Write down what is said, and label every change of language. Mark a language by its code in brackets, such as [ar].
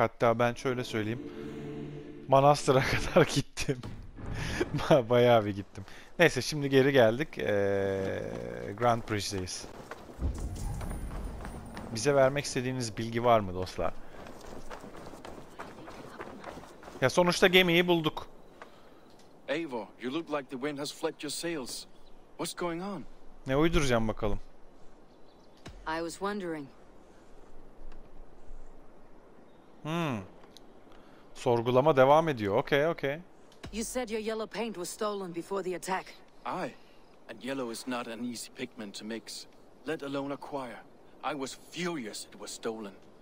[tr] Hatta ben şöyle söyleyeyim. Manastır'a kadar gittim. Bayağı bir gittim. Neyse, şimdi geri geldik. Grand Bridge'deyiz. Bize vermek istediğiniz bilgi var mı dostlar? Ya sonuçta gemiyi bulduk. [en] Eivor, you look like the wind has flapped your sails. What's going on? [tr] Ne uyduracağım bakalım. [en] I was wondering. [tr] Sorgulama devam ediyor. [en] Okay, okay. You said your yellow paint was stolen before the attack. Aye. And yellow is not an easy pigment to mix, let alone acquire. I was furious it was stolen.